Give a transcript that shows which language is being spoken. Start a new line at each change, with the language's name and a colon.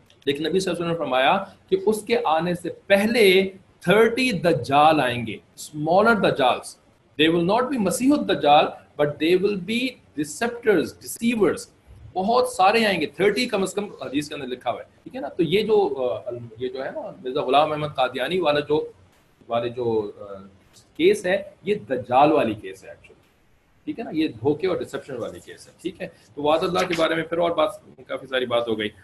Urdu: لیکن نبی صلی اللہ علیہ وسلم نے فرمایا کہ اس کے آنے سے پہلے 30 دجال آئیں گے, smaller دجالز.
English: They will not be مسیح الدجال, but they will be deceptors, deceivers.
Urdu: بہت سارے آئیں گے, 30 کم از کم حدیث کے اندر لکھا ہوا ہے, ٹھیک ہے نا؟ تو یہ جو ہے نا, مرزا غلام احمد قادیانی والے جو کیس ہے, یہ دجال والی کیس ہے ایکچولی, ٹھیک ہے نا؟ یہ دھوکے اور ڈسپشن والی کیس ہے, ٹھیک ہے؟ تو وعد اللہ کے بارے میں پھر اور بات, کافی ساری بات ہو گئی.